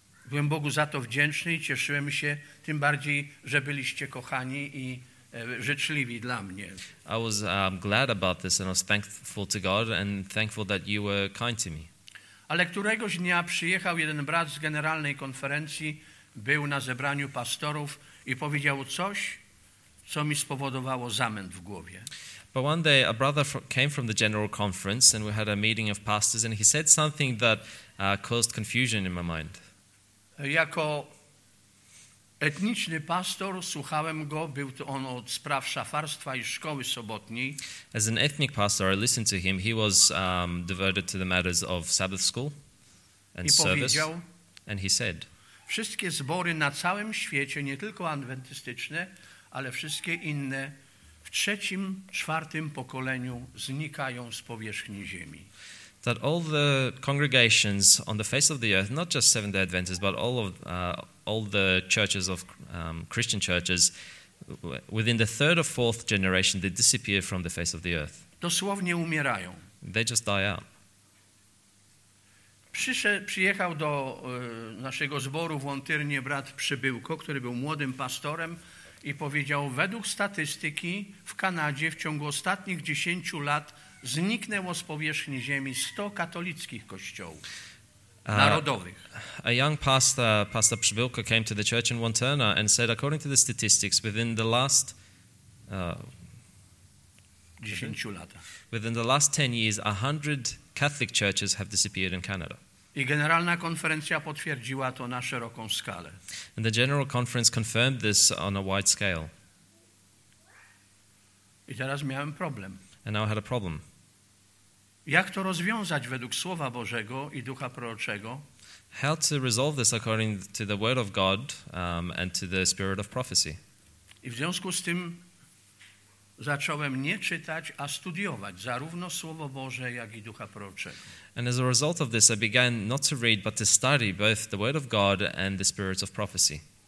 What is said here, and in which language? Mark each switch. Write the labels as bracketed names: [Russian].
[Polish] Byłem Bogu za to wdzięczny i cieszyłem się, tym bardziej, że byliście kochani i życzliwi dla mnie. [English] I was glad about this and I was thankful to God and thankful that you were kind to me. [Polish] Ale któregoś dnia przyjechał jeden brat z generalnej konferencji, był na zebraniu pastorów i powiedział coś, co mi spowodowało zamęt w głowie. [English] But one day a brother came from the general conference and we had a meeting of pastors and he said something that caused confusion in my mind. [Polish] Jako etniczny pastor słuchałem go, był to on od spraw szafarstwa i szkoły sobotniej. [English] As an ethnic pastor, I listened to him. He was devoted to the matters of Sabbath school and service. And he said, [Polish] wszystkie zbory na całym świecie, nie tylko adwentystyczne, ale wszystkie inne, w trzecim, czwartym pokoleniu znikają z powierzchni ziemi. [English] That all the congregations on the face of the earth, not just Seventh-day Adventists, but all the churches of Christian churches, within the third or fourth generation, they disappear from the face of the earth. [Polish] Dosłownie umierają. [English] They just die out. [Polish] Przyjechał do naszego zboru w Łątyrnie brat Przybyłko, który był młodym pastorem, i powiedział, według statystyki w Kanadzie w ciągu ostatnich 10 lat zniknęło z powierzchni ziemi 100 katolickich kościołów narodowych. [English] A young pastor, Pastor Przybylko, came to the church in Wantirna and said, according to the statistics, within the last [Polish] 10 lat. [English] Within the last 10 years, 100 Catholic churches have disappeared in Canada. [Polish] I generalna konferencja potwierdziła to na szeroką skalę. [English] And the general conference confirmed this on a wide scale. [Polish] I teraz miałem problem. [English] And now I had a problem. [Polish] Jak to rozwiązać według Słowa Bożego i Ducha Proroczego? [English] How to resolve this according to the word of God and to the spirit of prophecy? [Polish] I w związku z tym zacząłem nie czytać, a studiować zarówno Słowo Boże, jak i Ducha Proroczego. [English] And as a result of this, I began not to read, but to study both the word of God and the spirits of prophecy.